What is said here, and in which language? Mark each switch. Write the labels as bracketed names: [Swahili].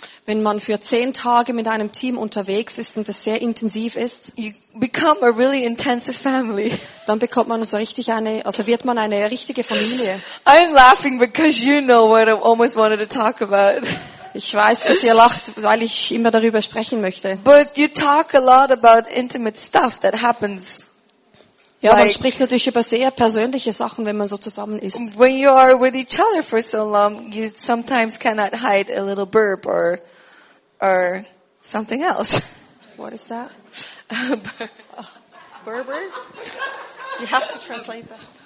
[German] wenn man für 10 Tage mit einem Team unterwegs ist und das sehr intensiv ist, [English] you become a really intensive family. [German] Dann bekommt man so richtig eine, also wird man eine richtige Familie. [English] I'm laughing because you know what I almost wanted to talk about. [German] Ich weiß, dass ihr lacht, weil ich immer darüber sprechen möchte. [English] But you talk a lot about intimate stuff that happens. [German] Ja, man spricht natürlich über sehr persönliche Sachen, wenn man so zusammen ist. [English] When you are with each other for so long, you sometimes cannot hide a little burp or something else. What is that? Burber? You have to translate that.